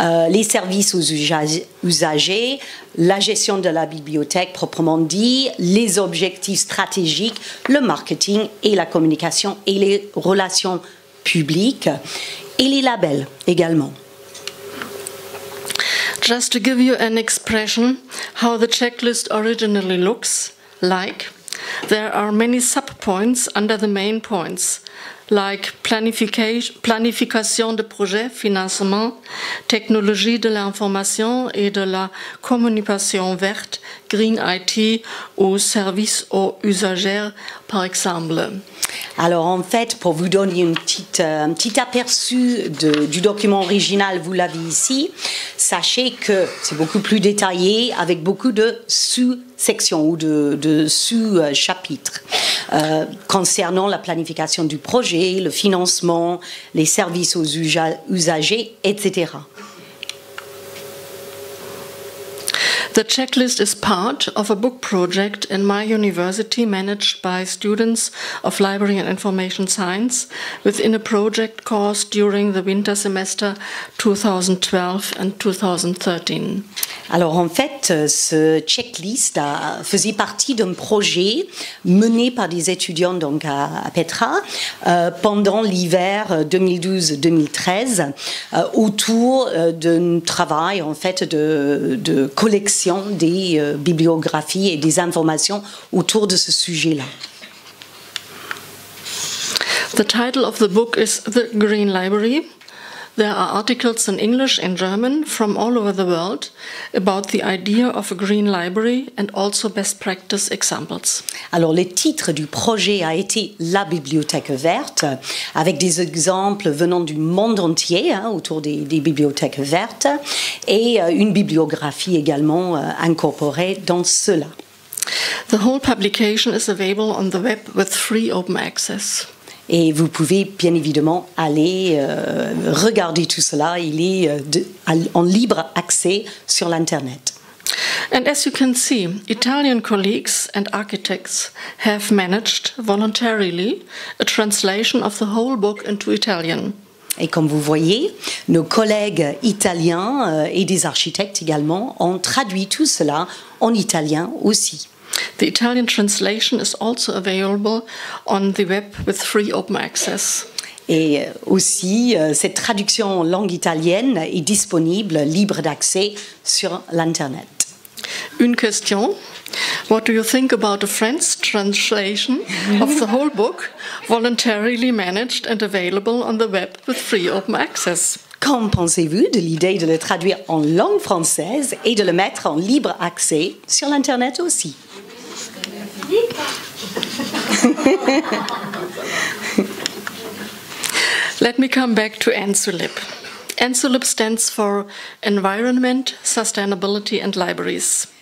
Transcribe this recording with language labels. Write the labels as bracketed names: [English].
[French] les services aux usagers, la gestion de la bibliothèque proprement dit, les objectifs stratégiques, le marketing et la communication et les relations publiques et les labels également. [English] Just to give you an expression how the checklist originally looks like, there are many sub-points under the main points. Like [French] planification de projet, financement, technologie de l'information et de la communication verte, green IT ou service aux usagers, par exemple. Alors, en fait, pour vous donner un petit aperçu du document original, vous l'avez ici, sachez que c'est beaucoup plus détaillé avec beaucoup de sous-sections ou de sous-chapitres concernant la planification du projet, le financement, les services aux usagers, etc. [English] The checklist is part of a book project in my university managed by students of Library and Information Science within a project course during the winter semester 2012 and 2013. [French] Alors en fait, ce checklist faisait partie d'un projet mené par des étudiants donc à Petra pendant l'hiver 2012-2013 autour d'un travail en fait de collection des bibliographies et des informations autour de ce sujet-là. [English] The title of the book is The Green Library. There are articles in English and German from all over the world about the idea of a green library and also best practice examples. [French] Alors, le titre du projet a été La Bibliothèque Verte, avec des exemples venant du monde entier hein, autour des bibliothèques vertes et une bibliographie également incorporée dans cela. [English] The whole publication is available on the web with free open access. [French] Et vous pouvez bien évidemment aller regarder tout cela, il est en libre accès sur l'internet. [English] And as you can see, Italian colleagues and architects have managed voluntarily a translation of the whole book into Italian. [French] Et comme vous voyez, nos collègues italiens et des architectes également ont traduit tout cela en italien aussi. [English] The Italian translation is also available on the web with free open access. [French] Et aussi, cette traduction en langue italienne est disponible, libre d'accès, sur l'internet. Une question. [English] What do you think about a French translation of the whole book, voluntarily managed and available on the web with free open access? [French] Qu'en pensez-vous de l'idée de le traduire en langue française et de le mettre en libre accès sur l'internet aussi? [English] Let me come back to ENSULIB. ENSULIB stands for Environment, Sustainability and Libraries.